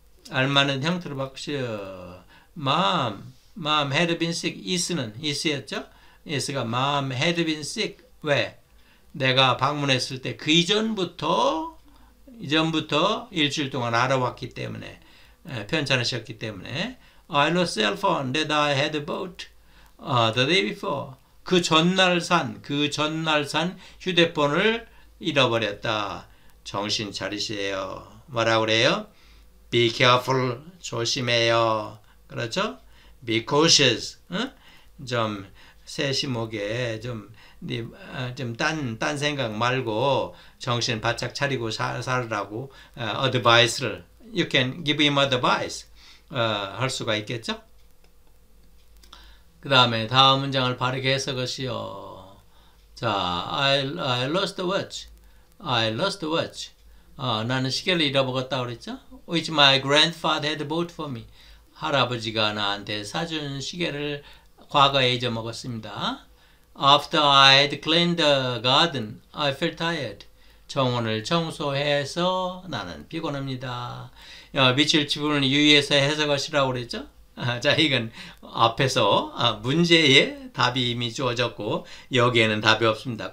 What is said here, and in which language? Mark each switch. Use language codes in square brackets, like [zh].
[ko] 알맞은 형태로 바꾸시오. [en] Mom had been sick. is였죠? is가 Mom had been sick. [ko] 왜? 내가 방문했을 때그 이전부터 일주일 동안 알아왔기 때문에, 편찮으셨기 때문에. [en] I lost cell phone that I had bought the day before. [ko] 그 전날 산 휴대폰을 잃어버렸다. 정신 차리세요. 뭐라 그래요? [en] Be careful. [ko] 조심해요. 그렇죠? [en] Be cautious. [ko] 응? 좀 세심하게 좀네좀딴 생각 말고 정신 바짝 차리고 살으라고 advice를 [en] you can give him advice [ko] 할 수가 있겠죠? 그 다음에 다음 문장을 바르게 해석하시오. 자, [en] I lost the watch. I lost the watch. [ko] 나는 시계를 잃어버렸다고 그랬죠? [en] Which my grandfather had bought for me. [ko] 할아버지가 나한테 사준 시계를 과거에 잊어먹었습니다. [en] After I had cleaned the garden, I felt tired. [ko] 정원을 청소해서 나는 피곤합니다. 미칠 지분을 유의해서 해석하시라고 그랬죠? 자, 이건 앞에서 문제의 답이 이미 주어졌고, 여기에는 답이 없습니다.